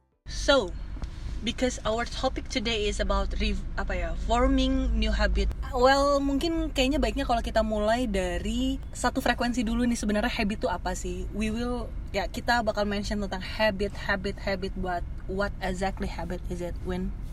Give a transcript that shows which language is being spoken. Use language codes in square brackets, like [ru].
[en] So, because our topic today is about forming new habit. [id] Well, mungkin kayaknya baiknya kalau kita mulai dari satu frekuensi dulu nih, sebenarnya habit itu apa sih? Kita bakal [en] mention tentang habit, but what exactly habit is it, Win?